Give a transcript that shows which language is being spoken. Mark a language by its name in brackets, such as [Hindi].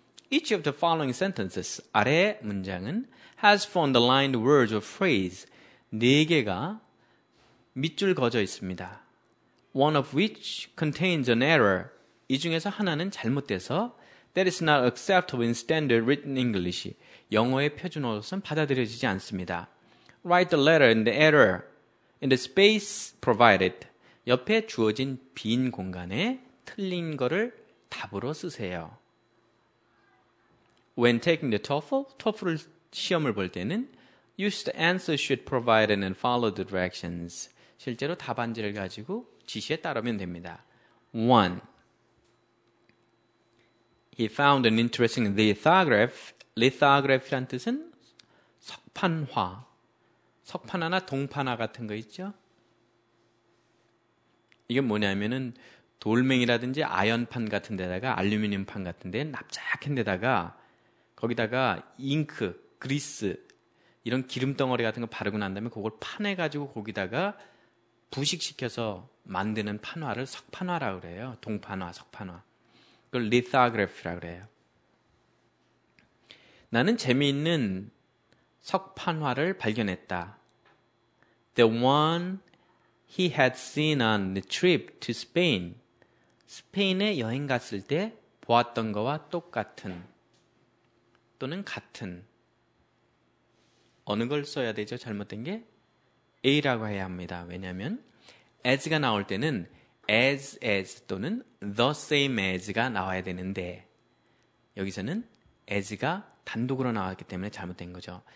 [English] Each of the following sentences, [Korean] 아래 문장은 [English] has four underlined words or phrase. [Korean] 네 개가 밑줄 거져 있습니다. [English] One of which contains an error. [Korean] 이 중에서 하나는 잘못돼서 [English] That is not acceptable in standard written English. [Korean] 영어의 표준어로서는 받아들여지지 않습니다. [English] Write the letter in the error in the space provided. [Korean] 옆에 주어진 빈 공간에 틀린 거를 답으로 쓰세요. [English] When taking the TOEFL, [Korean] TOEFL 시험을 볼 때는 [English] use the answer sheet provided and follow the directions. [Korean] 실제로 답안지를 가지고 지시에 따르면 됩니다. 1. [English] He found an interesting lithograph. [Korean] Lithograph란 뜻은 석판화. 석판화나 동판화 같은 거 있죠? 이게 뭐냐면은 돌멩이라든지 아연판 같은 데다가 알루미늄판 같은 데 납작한 데다가 거기다가 잉크, 그리스 이런 기름 덩어리 같은 거 바르고 난 다음에 그걸 파내 가지고 거기다가 부식시켜서 만드는 판화를 석판화라고 그래요. 동판화, 석판화. 그걸 리토그래피라고 그래요. 나는 재미있는 석판화를 발견했다. [English] The one he had seen on the trip to Spain. [Korean] 스페인에 여행 갔을 때 보았던 거와 똑같은 또는 같은 어느 걸 써야 되죠? 잘못된 게 A라고 해야 합니다. 왜냐하면 as가 나올 때는 as 또는 the same as가 나와야 되는데 여기서는 as가 단독으로 나왔기 때문에 잘못된 거죠.